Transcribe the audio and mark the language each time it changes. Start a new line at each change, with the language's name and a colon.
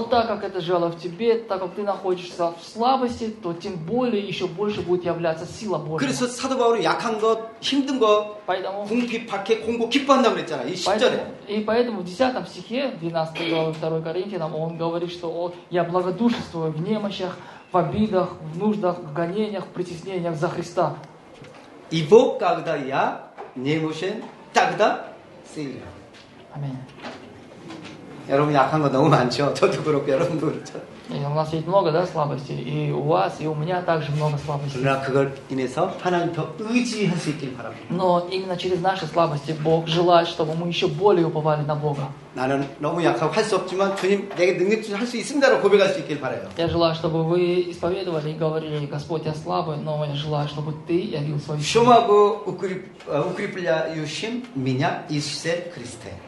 Russian: так как это жало в тебе, так как ты находишься в слабости, то тем более еще больше будет являться сила Божья.
Korean: 그래서 사도 바울이 약한 것, 힘든 것, 궁핍, 박해, 공고, 기뻐한다고 했잖아, 이 10절에.
Russian: И поэтому в 10 стихе, 12 главе 2 Коринфянам, он говорит, что я благодушествую в немощах, в обидах, в нуждах, в гонениях, в притеснениях за Христа. И вот когда я немощен, тогда сильно. Аминь.
Korean: 여러분 약한 거 너무 많죠. 저도 그렇고 여러분도 그렇죠.
Russian: У нас есть много, да, слабостей. И у вас, и у меня также много слабостей.
Korean: 그러나 그걸 인해서 하나님 더 의지할 수 있길 바랍니다.
Russian: Но именно через наши слабости Бог желает, чтобы мы еще более уповали на Бога.
Korean: 나는 너무 약하고 할 수 없지만 주님 내게 능력 주실 할 수 있습니다로 고백할 수 있길 바래요.
Russian: Я желаю, чтобы вы исповедовали и говорили: Господь, я слабый, но я желаю, чтобы Ты явил свою силу. 쇼마고 укрепляющим меня Иисусе Христе.